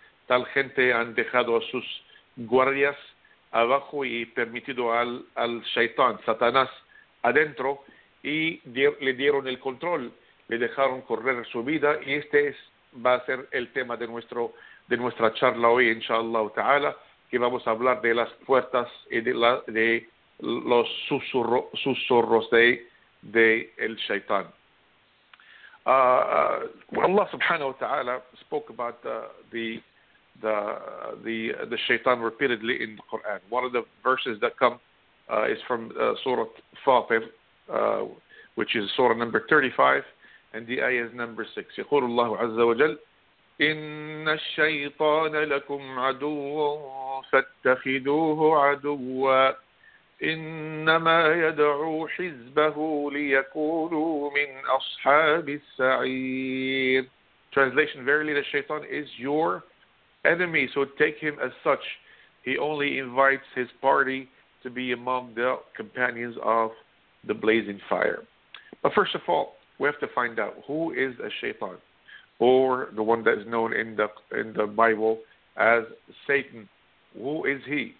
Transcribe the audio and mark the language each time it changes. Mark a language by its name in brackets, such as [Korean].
[Spanish] Tal gente han dejado a sus guardias abajo y permitido al Shaitan, Satanás, adentro, y le dieron el control, le dejaron correr su vida, y este va a ser el tema de nuestra charla hoy, inshallah ta'ala, que vamos a hablar de las puertas y de los susurros de el Shaitan. [English] Allah subhanahu wa ta'ala spoke about the Shaitan repeatedly in the Quran. One of the verses that come is from Surah Fatir, which is Surah number 35, and the ayah is number 6. [Arabic] يقول الله عز وجل إن الشيطان لكم عدو فاتخذوه عدوا إنما يدعو حزبه ليكونوا من أصحاب السعير. [English] Translation: verily the shaitan is your enemy, so take him as such. He only invites his party to be among the companions of the blazing fire. But first of all, we have to find out who is a shaitan, or the one that is known in the Bible as Satan. Who is he?